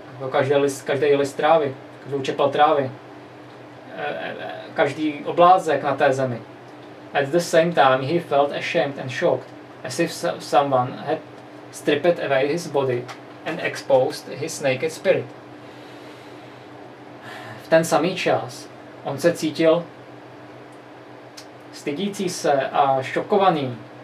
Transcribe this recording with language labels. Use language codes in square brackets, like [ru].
[cs] Každý list trávy, každou čepel trávy, každý oblázek na té zemi. [en] At the same time he felt ashamed and shocked, as if someone had stripped away his body and exposed his naked spirit. [cs] Ten samý čas, on se cítil stydící se a šokovaný.